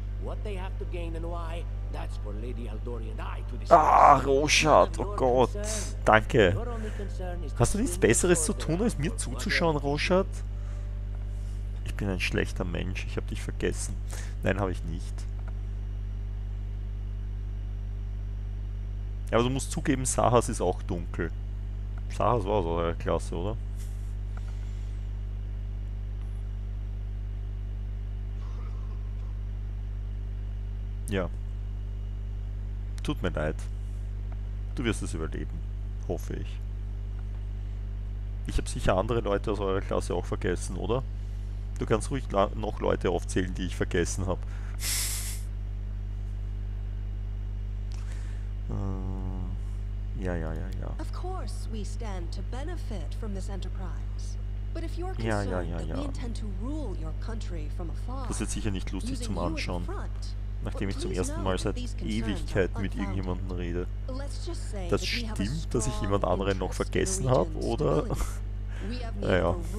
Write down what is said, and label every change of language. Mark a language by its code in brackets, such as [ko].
[en] What they have to gain and why, that's for Lady Aldori and I to discuss. [de] Ah, Roshad, oh Gott, danke. Hast du nichts Besseres zu tun, als mir zuzuschauen, Roshad? Ich bin ein schlechter Mensch, ich habe dich vergessen. Nein, habe ich nicht. Ja, aber du musst zugeben, Sahas ist auch dunkel. Sahas war so eine Klasse, oder? Ja. Tut mir leid. Du wirst es überleben. Hoffe ich. Ich habe sicher andere Leute aus eurer Klasse auch vergessen, oder? Du kannst ruhig noch Leute aufzählen, die ich vergessen habe. Ja. [en] Of course we stand to benefit from this enterprise. But if you're concerned that we intend to rule your country from afar, [de] das ist sicher nicht lustig zum Anschauen. Nachdem ich zum ersten Mal seit Ewigkeit mit irgendjemandem rede. Das stimmt, dass ich jemand anderen noch vergessen habe, oder? Naja.